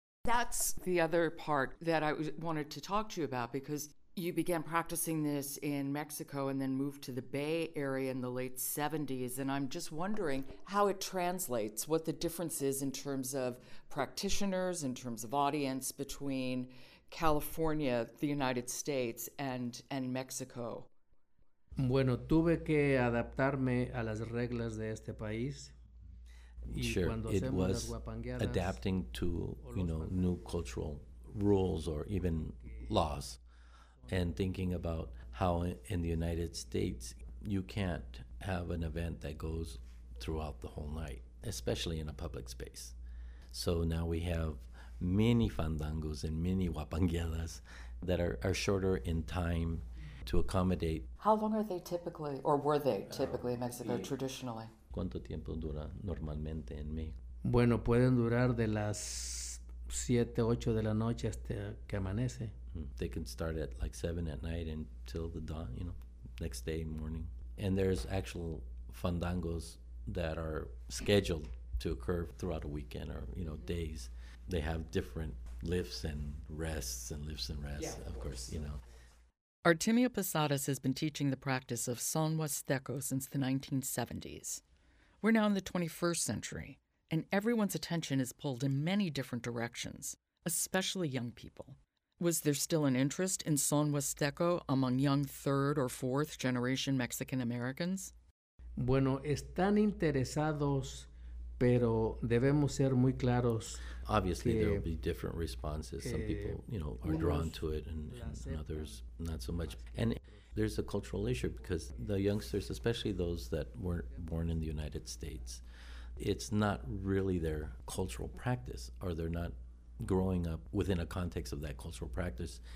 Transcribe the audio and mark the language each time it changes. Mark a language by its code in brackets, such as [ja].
[en] That's the other part that I wanted to talk to you about, because you began practicing this in Mexico and then moved to the Bay Area in the late 70s. And I'm just wondering how it translates, what the difference is in terms of practitioners, in terms of audience between California, the United States, and Mexico. [es] Bueno, tuve que adaptarme a las reglas de este país. [en] Sure, it was adapting to, you know, new cultural rules or even laws, and thinking about how in the United States you can't have an event that goes throughout the whole night, especially in a public space. So now we have many fandangos and many huapangueadas that are shorter in time to accommodate. How long are they typically, or were they typically in Mexico traditionally? [es] ¿Cuánto tiempo dura normalmente en México? Bueno, pueden durar de las 7, 8 de la noche hasta que amanece. [en] They can start at like 7 at night until the dawn, you know, next day morning. And there's actual fandangos that are scheduled to occur throughout a weekend or, you know, days. They have different lifts and rests, yeah, of course, you know. Artemio Posadas has been teaching the practice of son huasteco since the 1970s. We're now in the 21st century, and everyone's attention is pulled in many different directions, especially young people. Was there still an interest in son huasteco among young third or fourth generation Mexican Americans? [es] Bueno, están interesados, pero debemos ser muy claros. [en] Obviously, there will be different responses. Some people, you know, are drawn to it, and others not so much. And there's a cultural issue, because the youngsters, especially those that weren't born in the United States, it's not really their cultural practice, or they're not growing up within a context of that cultural practice.